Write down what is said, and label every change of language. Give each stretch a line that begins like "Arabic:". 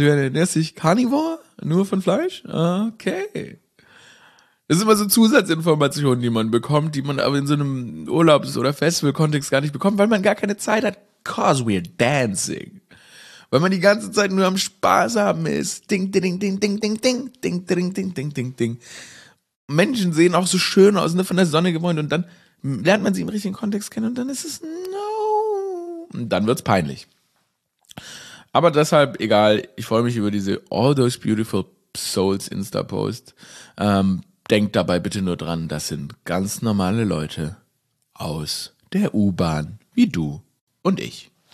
German: Du ernährst dich Carnivore? Nur von Fleisch? Okay. Das sind immer so Zusatzinformationen, die man bekommt, die man aber in so einem Urlaubs- oder Festival-Kontext gar nicht bekommt, weil man gar keine Zeit hat.
English: Cause we're dancing.
German: Weil man die ganze Zeit nur am Spaß haben ist. Ding, ding, ding, ding, ding, ding, ding, ding, ding, ding, ding, ding, ding. Menschen sehen auch so schön aus, ne, von der Sonne gewohnt und dann lernt man sie im richtigen Kontext kennen und dann ist es no. Und dann wird's peinlich. Aber deshalb, egal, ich freue mich über diese All Those Beautiful Souls Insta-Post. Denkt dabei bitte nur dran, das sind ganz normale Leute aus der U-Bahn, wie du und ich.